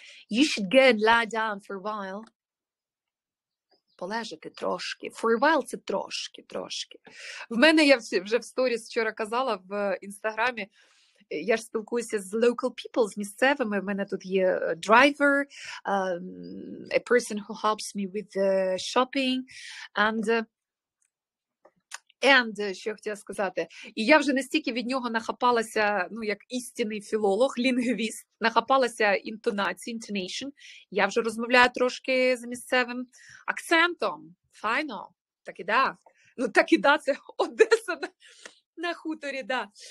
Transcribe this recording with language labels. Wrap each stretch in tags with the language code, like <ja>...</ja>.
<en>You should go and lie down for a while.</en> <uk>Полежати трошки.</uk> <en>For a while</en> <uk>– це трошки, трошки. В мене, я вже в сторіс вчора казала в інстаграмі, я ж спілкуюся з</uk> <en>local people,</en> <uk>з місцевими. В мене тут є</uk> <en>driver, a person who helps me with the shopping.</en> <uk>And що я хотіла сказати. І я вже настільки від нього нахапалася, ну, як істинний філолог, лінгвіст, нахапалася інтонації, intonation. Я вже розмовляю трошки з місцевим акцентом. Файно. Так і да. Ну, так і да, це Одеса на хуторі, да.</uk>